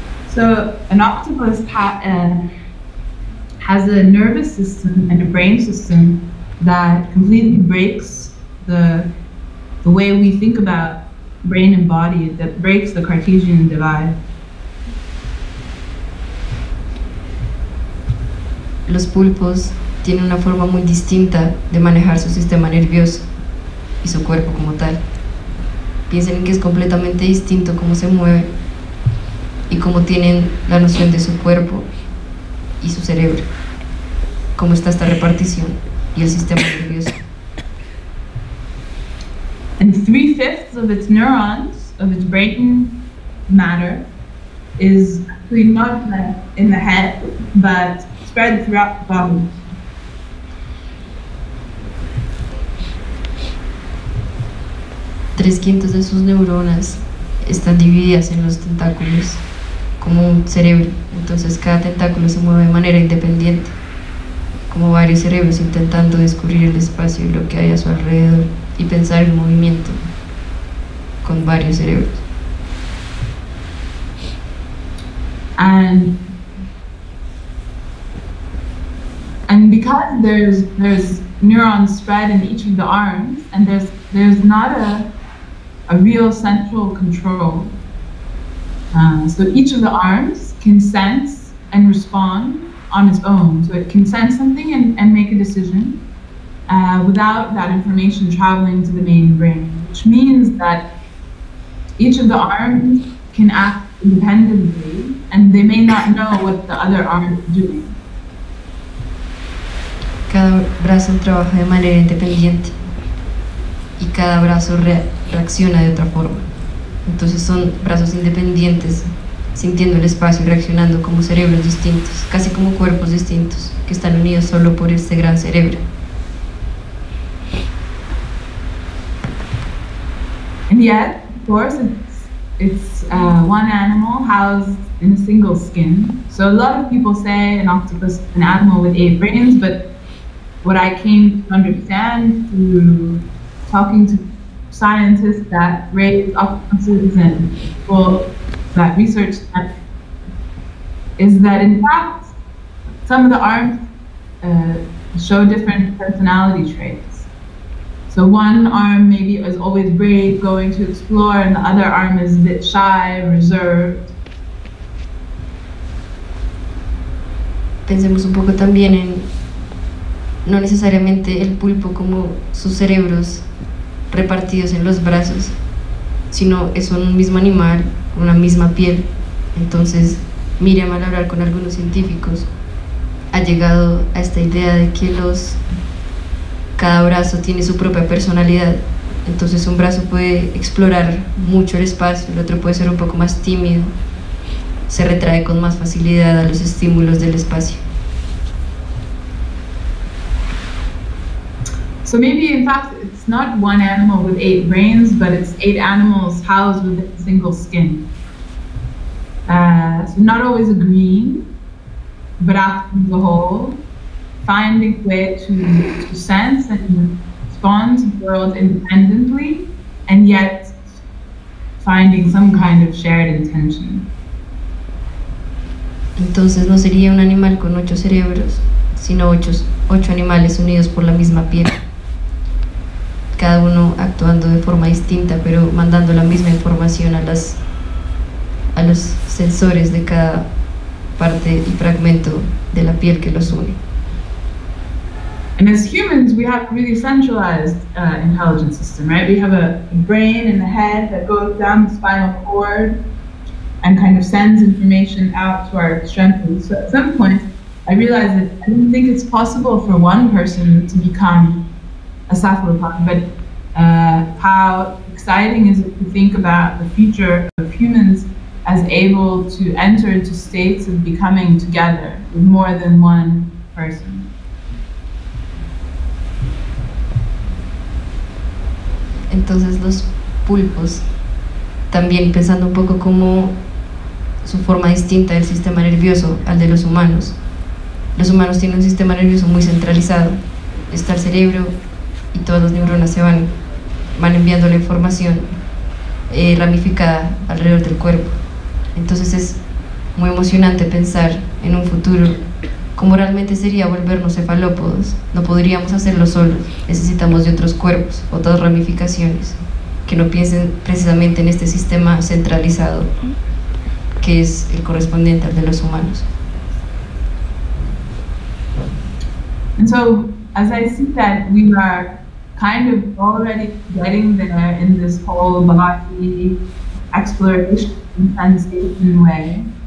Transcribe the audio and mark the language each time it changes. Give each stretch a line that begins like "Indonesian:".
English: So an octopus has a nervous system and a brain system that completely breaks the way we think about brain and body, that breaks the Cartesian divide.
Spanish: Los pulpos tienen una forma muy distinta de manejar su sistema nervioso y su cuerpo como tal. Piensen que es completamente distinto cómo se mueve y cómo tienen la noción de su cuerpo y su cerebro, cómo está esta repartición y el sistema nervioso.
English: And 3/5 of its neurons, of its brain matter, is actually not in the head, but spread throughout the body.
Spanish: Tres quintos de sus neuronas están divididas en los tentáculos, como un cerebro. Entonces cada tentáculo se mueve de manera independiente, como varios cerebros intentando descubrir el espacio y lo que hay a su alrededor, y pensar el movimiento con varios cerebros.
English: And because there's neurons spread in each of the arms, and there's not a real central control, so each of the arms can sense and respond on its own. So it can sense something and make a decision without that information traveling to the main brain, which means that each of the arms can act independently and they may not know what the other arm is doing.
Spanish: Cada brazo trabaja de manera independiente y cada brazo reacciona de otra forma. Entonces son brazos independientes, sintiendo el espacio y reaccionando como cerebros distintos, casi como cuerpos distintos, que están unidos solo por este gran cerebro.
English: And yet, of course, it's one animal housed in a single skin. So a lot of people say an octopus is an animal with 8 brains, but what I came to understand through talking to scientists that raise octopuses and people that research that is that in fact some of the arms show different personality traits. So one arm maybe is always brave, going to explore, and the other arm is a bit shy, reserved.
Spanish: Pensemos un poco también en no necesariamente el pulpo como sus cerebros repartidos en los brazos, sino es un mismo animal, una misma piel. Entonces, Miriam, al hablar con algunos científicos, ha llegado a esta idea de que cada brazo tiene su propia personalidad. Entonces, un brazo puede explorar mucho el espacio, el otro puede ser un poco más tímido, se retrae con más facilidad a los estímulos del espacio.
English: So maybe, in fact, it's not one animal with 8 brains, but it's 8 animals housed within a single skin. So not always agreeing, but after the whole, finding a way to sense and respond to the world independently, and yet finding some kind of shared intention.
Spanish: Entonces no sería un animal con 8 cerebros, sino 8 animales unidos por la misma piel. Cada uno actuando de forma distinta, pero mandando la misma información a los sensores de cada parte y fragmento de la piel que los une.
English: And as humans, we have really centralized intelligence system, right? We have a brain and a head that goes down the spinal cord and kind of sends information out to our extremities. So at some point, I realized that I didn't think it's possible for one person to become a cephalopod, but how exciting is it to think about the future of humans as able to enter into states of becoming together with more than one person?
Spanish: Entonces los pulpos, también pensando un poco como su forma distinta del sistema nervioso al de los humanos tienen un sistema nervioso muy centralizado, está el cerebro y todas las neuronas se van enviando la información ramificada alrededor del cuerpo. Entonces es muy emocionante pensar en un futuro como realmente sería volvernos cefalópodos. No podríamos hacerlo solos, necesitamos de otros cuerpos, otras ramificaciones que no piensen precisamente en este sistema centralizado que es el correspondiente al de los humanos.
English: And so, as I see that we are kind of already getting there in this whole body exploration and sensation way.